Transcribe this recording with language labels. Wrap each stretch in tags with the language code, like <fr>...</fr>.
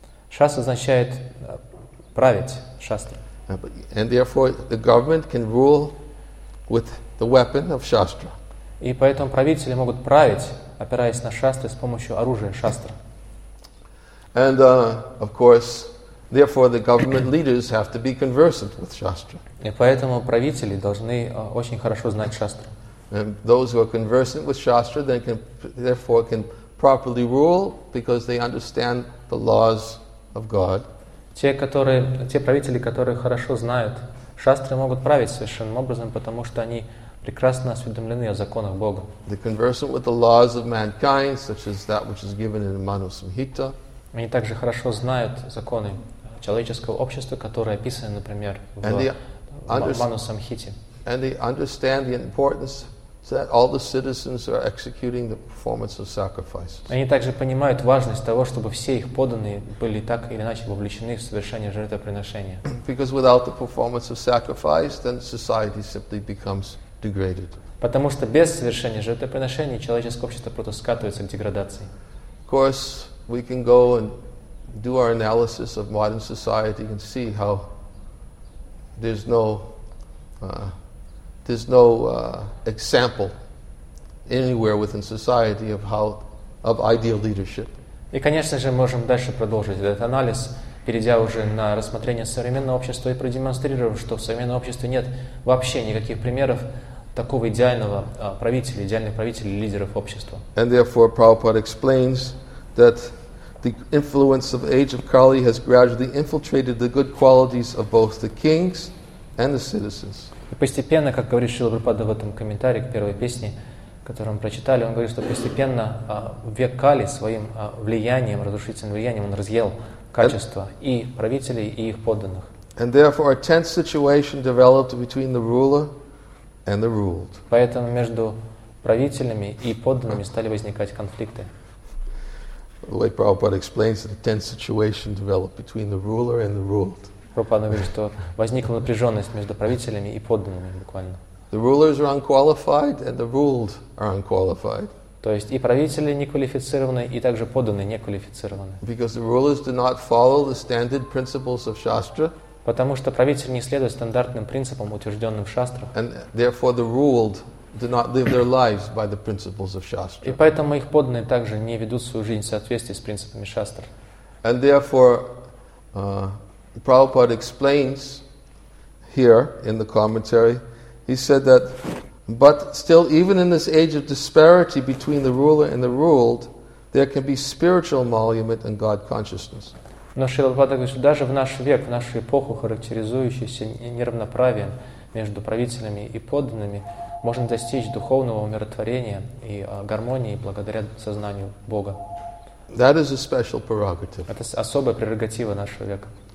<ru>Шас означает править, Шастра.</ru> <en>And therefore, the government can rule with the weapon of Shastra.</en> <ru>И поэтому правители могут править, опираясь на Шастры, с помощью оружия Шастра.</ru> <en>And of course, therefore, the government leaders have to be conversant with Shastra.</en> <ru>И поэтому правители должны очень хорошо знать Шастру.</ru> <en>And those who are conversant with Shastra, they can therefore can properly rule because they understand the laws of God.</en> <ru>Те правители, которые хорошо знают Шастры, могут править совершенным образом, потому что они прекрасно осведомлены о законах Бога.</ru> <en>They conversant with the laws of mankind, such as that which is given in Manu Samhita.</en> <ru>Они также хорошо знают законы человеческого общества, которые описаны, например, в Манус Самхите.</ru> <en>And they understand the importance that all the citizens are executing the performance of sacrifices.</en> <ru>Они также понимают важность того, чтобы все их подданные были так или иначе вовлечены в совершение жертвоприношения.</ru> <en>Because without the performance of sacrifice, then society simply becomes degraded.</en> <ru>Потому что без совершения жертвоприношения человеческое общество просто скатывается к деградации.</ru> <en>Of course, we can go and do our analysis of modern society and see how there's no example anywhere within society of ideal leadership.</en> <ru>И, конечно же, можем дальше продолжить этот анализ, перейдя уже на рассмотрение современного общества и продемонстрировав, что в современном обществе нет вообще никаких примеров такого идеального правителя, идеальных правителей, лидеров общества.</ru> <en>And therefore, Prabhupada explains that the influence of age of Kali has gradually infiltrated the good qualities of both the kings and the citizens.</en> <ru>И постепенно, как говорит Шрила Прабхупада в этом комментарии к первой песне, которую мы прочитали, он говорит, что постепенно век Кали своим влиянием, разрушительным влиянием, он разъел качества и правителей, и их подданных.</ru> <en>And therefore a tense situation developed between the ruler and the ruled.</en> <ru>Поэтому между правителями и подданными стали возникать конфликты.</ru> <en>The way Prabhupada explains that a tense situation developed between the ruler and the ruled.</en> <ru>Прабхупада говорит, что возникла напряженность между правителями и подданными буквально.</ru> <en>The rulers are unqualified and the ruled are unqualified.</en> <ru>То есть и правители неквалифицированы, и также подданные неквалифицированы.</ru> <en>Because the rulers do not follow the standard principles of Shastra.</en> <ru>Потому что правители не следуют стандартным принципам, утвержденным в Шастрах.</ru> <en>And therefore the ruled do not live their lives by the principles of Shastra.</en> <ru>И поэтому их подданные также не ведут свою жизнь в соответствии с принципами Шастр.</ru> <en>And therefore Prabhupada explains here in the commentary, he said that, but still, even in this age of disparity between the ruler and the ruled, there can be spiritual emolument and God consciousness.</en> <ru>Но Шрила Прабхупада говорит, что даже в наш век, в нашу эпоху, характеризующуюся неравноправием между правителями и подданными, можно достичь духовного умиротворения и гармонии благодаря сознанию Бога.</ru> <en>That is a special prerogative.</en> <ru>Это особая прерогатива нашего века.</ru>